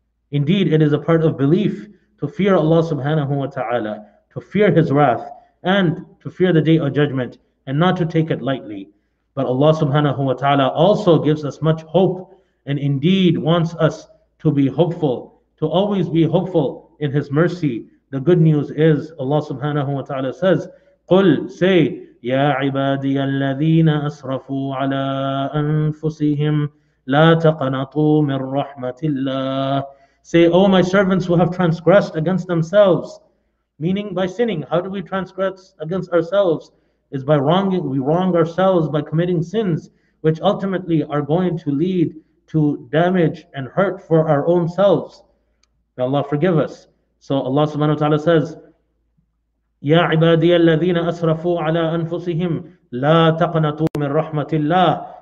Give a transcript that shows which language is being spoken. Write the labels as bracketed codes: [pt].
[en] Indeed, it is a part of belief to fear Allah subhanahu wa ta'ala, to fear His wrath, and to fear the day of judgment, and not to take it lightly. But Allah subhanahu wa ta'ala also gives us much hope, and indeed wants us to be hopeful, to always be hopeful in His mercy. The good news is, Allah subhanahu wa ta'ala says, [ar] قُلْ [en] say, [ar] يَا عِبَادِيَ الَّذِينَ أَسْرَفُوا عَلَىٰ أَنفُسِهِمْ لَا تَقَنَطُوا مِن رَحْمَةِ اللَّهِ. [en] Say, O my servants who have transgressed against themselves, meaning by sinning. How do we transgress against ourselves? Is by wronging, we wrong ourselves by committing sins, which ultimately are going to lead to damage and hurt for our own selves. May Allah forgive us. [ar] So Allah subhanahu wa ta'ala says, يَا عِبَادِيَ الَّذِينَ أَسْرَفُوا عَلَىٰ أَنفُسِهِمْ لَا تَقْنَطُوا مِن رَحْمَةِ اللَّهِ.